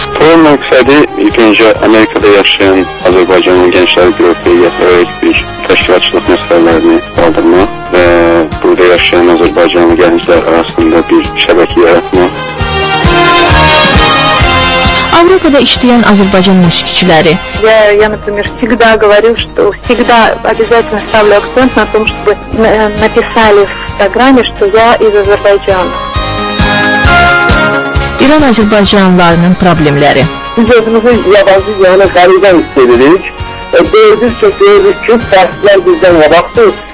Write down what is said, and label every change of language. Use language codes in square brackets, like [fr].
[az] Forum məqsədi ilk öncə Amerikada yaşayan Azərbaycan gəncləri qrupuna ait bir təşkilatçılıq məsələlərini qaldırmaq və burada yaşayan Azərbaycan gənclər arasında bir şəbəkə yaratmaq. Avropada işləyən Azərbaycan musiqiçiləri. [ru] Я, например, всегда говорю, что всегда обязательно ставлю акцент на том, чтобы написали в программе, что я из Азербайджана. [az] İran Azərbaycanlılarının problemləri. Biz özümüzü yabancı yana qəribən hiss edirik. Deyirik ki, deyirik ki, fərqlər bizdən qabaqdır.